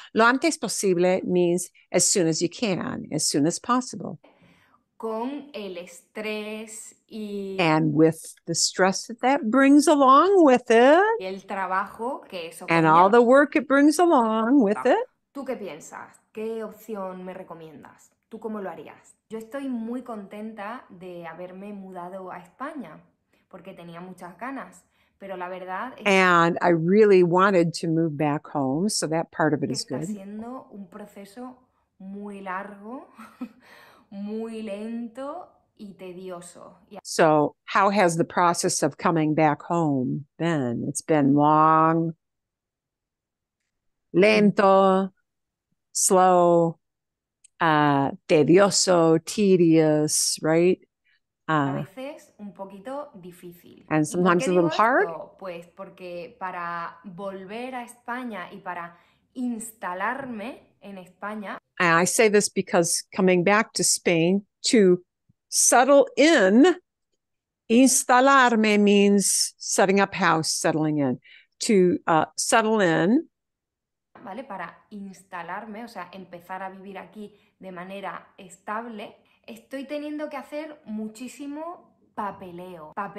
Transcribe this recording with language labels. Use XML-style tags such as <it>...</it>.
<en>Lo antes posible means as soon as you can, as soon as possible.</en> <es>Con el estrés y...</es> <en>And with the stress that brings along with it.</en> <es>Y el trabajo que eso...</es> <en>And all the work it brings along with it.</en> <es>¿Tú qué piensas? ¿Qué opción me recomiendas? ¿Tú cómo lo harías? Yo estoy muy contenta de haberme mudado a España porque tenía muchas ganas, pero la verdad es...</es> <en>And I really wanted to move back home, so that part of it is good.</en> <es>Está siendo un proceso muy largo, muy lento y tedioso.</es> <en>So, how has the process of coming back home been? It's been long, lento, slow, tedioso, tedious, right?</en> <es>A veces un poquito difícil.</es> <en>And sometimes a little hard.</en> <es>Pues porque para volver a España y para instalarme en España.</es> <en>And I say this because coming back to Spain to settle in, instalarme means setting up house, settling in. To settle in.</en> <es>Vale, para instalarme, o sea, empezar a vivir aquí de manera estable, estoy teniendo que hacer muchísimo papeleo.</es>